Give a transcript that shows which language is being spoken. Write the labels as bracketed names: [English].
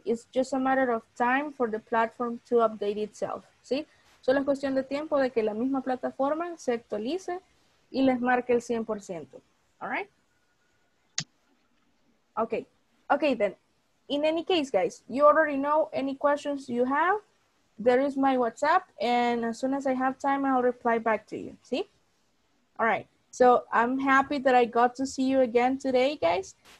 [English] It's just a matter of time for the platform to update itself. [Spanish] ¿Sí? Solo es cuestión de tiempo de que la misma plataforma se actualice y les marque el 100%. [English] All right? Okay. Okay, then. In any case, guys, you already know any questions you have. There is my WhatsApp, and as soon as I have time, I'll reply back to you. [Spanish] ¿Sí? [English] All right. So I'm happy that I got to see you again today, guys.